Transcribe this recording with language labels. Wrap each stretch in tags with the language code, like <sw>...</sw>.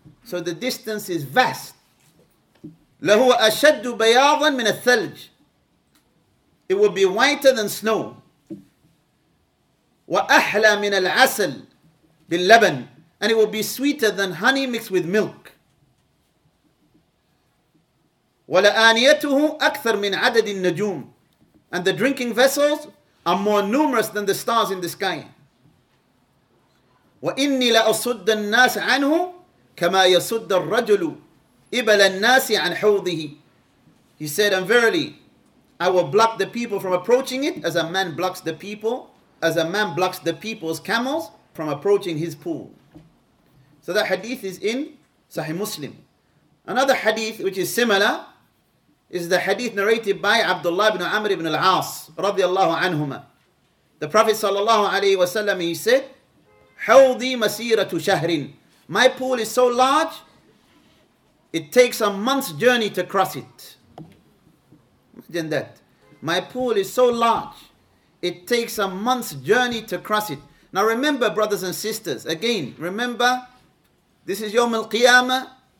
<en>So the distance is vast.</en> <ar>لهو أشد بياضا من الثلج.</ar> <en>It will be whiter than snow.</en> <ar>وأحلى من العسل باللبن.</ar> <en>And it will be sweeter than honey mixed with milk.</en> <ar>ولآنيته أكثر من عدد النجوم.</ar> <en>And the drinking vessels are more numerous than the stars in the sky.</en> <ar>وإني لأصد الناس عنه كما يصد الرجل إبل الناس عن حوضه.</ar> <en>He said, and verily, I will block the people from approaching it as a man blocks the people, as a man blocks the people's camels from approaching his pool. So that hadith is in Sahih Muslim. Another hadith which is similar is the hadith narrated by Abdullah ibn Amr ibn al-As رضي الله عنهما. The Prophet صلى الله عليه وسلم, he said,</en> <ar>حوضي مسيرة شهر.</ar> <en>My pool is so large, it takes a month's journey to cross it. Imagine that. My pool is so large, it takes a month's journey to cross it. Now remember, brothers and sisters, again, remember, this is Yawm al-Qiyamah.</en>